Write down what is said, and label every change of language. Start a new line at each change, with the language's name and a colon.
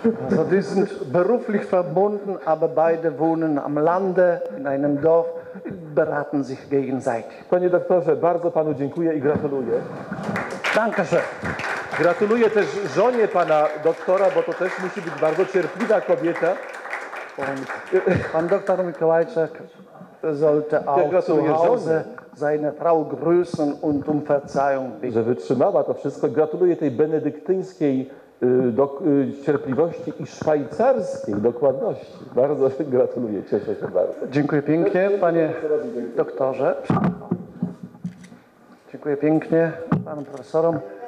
German: Also, die sind beruflich verbunden, aber beide wohnen am Lande, in einem Dorf. Beraten sich gegenseitig.
Polish: Panie doktorze, bardzo panu dziękuję i gratuluję.
German: Danke schön.
Polish: Gratuluję też żonie pana doktora, bo to też musi być bardzo cierpliwa kobieta.
German: Pan doktor Mikołajczyk sollte auch zu Hause seine Frau grüßen und um Verzeihung bitten.
Polish: Że wytrzymała to wszystko. Gratuluję tej benedyktyńskiej cierpliwości i szwajcarskiej dokładności. Bardzo gratuluję, cieszę się bardzo. Dziękuję pięknie, panie doktorze. Dziękuję pięknie panom profesorom.